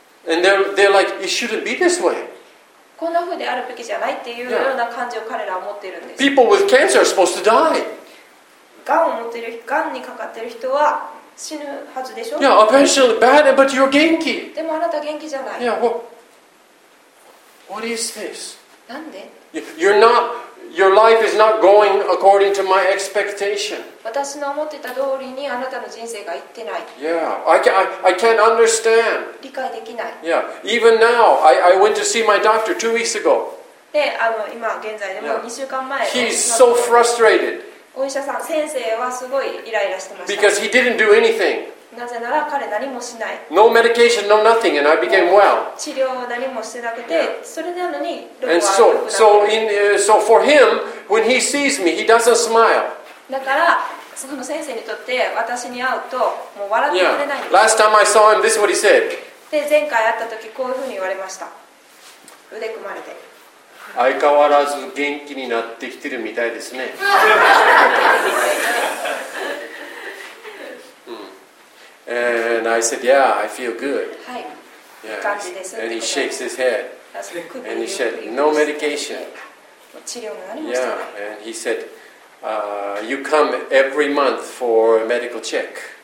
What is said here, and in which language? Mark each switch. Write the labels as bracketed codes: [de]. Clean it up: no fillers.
[en] And they're like, it shouldn't be this way. [ja] こんな風であるべきじゃないっていうような感じを彼らは持っているんです。 [en] People with cancer are supposed to die. [ja] がんにかかってる人は死ぬはずでしょ。 [en] Yeah, eventually bad, but you're 元気。 [ja] でもあなた元気じゃない。 [en] Yeah, what is this? [ja] なんで [en] ？You're not. Your life is not going according to my expectation. [ja] 私の思ってた通りにあなたの人生が行ってない。 [en] Yeah, I can't understand. [ja] 理解できない。 [en] Yeah, even now, I went to see my doctor 2 weeks ago. [ja] で、今現在でも2週間前。 [en] He's so frustrated. [ja] お医者さん、先生はすごいイライラしてました。 [en] Because he didn't do anything. [ja] なぜなら彼何もしない。 [en] No medication, no nothing, and I became well. [ja] 治療を何もしてなくて、それなのに、 [en] And so for him, when he sees me, he doesn't smile. [ja] だから、その先生にとって私に会うともう笑ってくれないんです。 [en] Yeah. Last time I saw him, this is what he said. [ja] で前回会った時こういうふうに言われました。腕組まれて。相変わらず元気になってきてるみたいですね。 [en] And I said, yeah, I feel good. Yeah. And he shakes his head. And he said, no medication. Yeah, and he said, you come every month for a medical check.